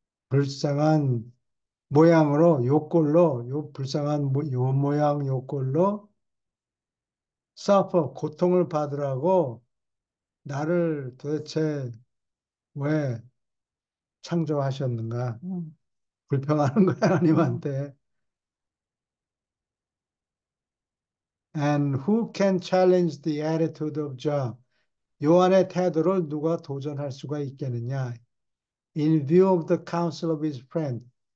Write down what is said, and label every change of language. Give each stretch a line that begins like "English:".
Korean: 불쌍한 모양으로 요꼴로 요 불쌍한 요 모양 요꼴로 suffer, 고통을 받으라고 나를 도대체 왜 창조하셨는가? 불평하는 거야, 하나님한테.
English: And who can challenge the attitude of Job?
Korean: 요한의 태도를 누가 도전할 수가 있겠느냐?
English: In view of the counsel of his friend.